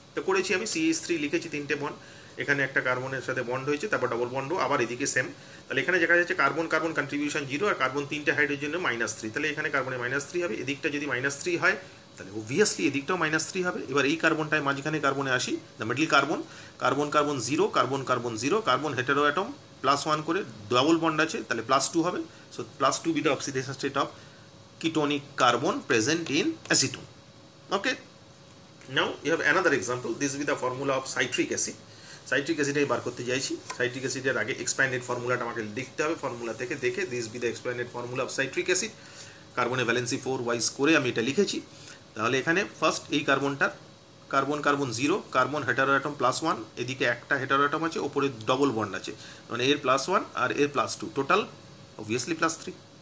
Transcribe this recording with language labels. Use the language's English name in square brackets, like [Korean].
[Bangla] তো করেছি আমি, সিএইচ থ্রি লিখেছি তিনটে বন্ড, এখানে একটা কার্বনের সাথে বন্ড হয়েছে, তারপর ডবল বন্ডও, আবার এদিকে সেম, তাহলে এখানে দেখা যাচ্ছে কার্বন কার্বন কন্ট্রিবিউশন জিরো, আর কার্বন তিনটে হাইড্রোজেনের মাইনাস থ্রি, তাহলে এখানে কার্বনের মাইনাস থ্রি হবে, এদিকটা যদি মাইনাস থ্রি হয় তাহলে ওবভিয়াসলি এদিকটাও মাইনাস থ্রি হবে। এবার এই কার্বনটাই মাঝখানে কার্বনে আসি, the middle carbon, carbon carbon zero, carbon carbon zero, carbon hetero atom plus one করে, ডাবল বন্ড আছে, তাহলে প্লাস টু হবে, [English] So plus two be the oxidation state of ketonic carbon present in acetone. Okay. Now you have another example. This is the formula of citric acid. [Bangla] Citric acid এই বার করতে যাইছি citric acid এর আগে expanded formula টা আমাকে লিখতে হবে formula থেকে দেখে [English] this be the expanded formula of citric acid [Bangla] carbon এর valency 4 y স্কোরে আমি এটা লিখেছি তাহলে এখানে ফার্স্ট এই কার্বনটার carbon carbon 0 carbon hetero atom +1 এদিকে একটা হেটারো অ্যাটম আছে উপরে ডাবল বন্ড আছে মানে এর +1 আর এর +2 টোটাল obviously +3